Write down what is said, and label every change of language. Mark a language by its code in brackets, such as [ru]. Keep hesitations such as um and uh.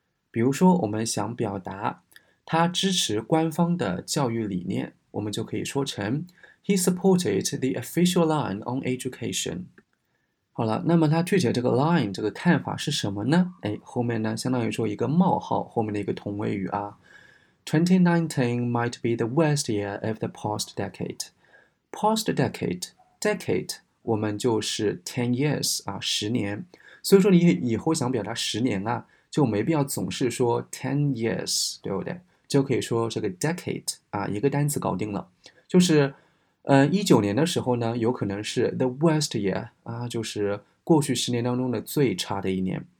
[zh] 比如说，我们想表达他支持官方的教育理念，我们就可以说成 [en] “he supported the official line on education”。 [zh] 好了，那么他具体这个 line 这个看法是什么呢？哎，后面呢，相当于说一个冒号后面的一个同位语啊。 [en] “Twenty nineteen might be the worst year of the past decade.” Past decade, decade [zh] 我们就是 [en] ten years 啊，十年。 [zh] 所以说，你以后想表达十年啊，就没必要总是说 ten years，对不对？就可以说这个 decade 啊，一个单词搞定了。就是，呃，一九年的时候呢，有可能是 [en] the worst year [zh] 啊，就是过去十年当中的最差的一年。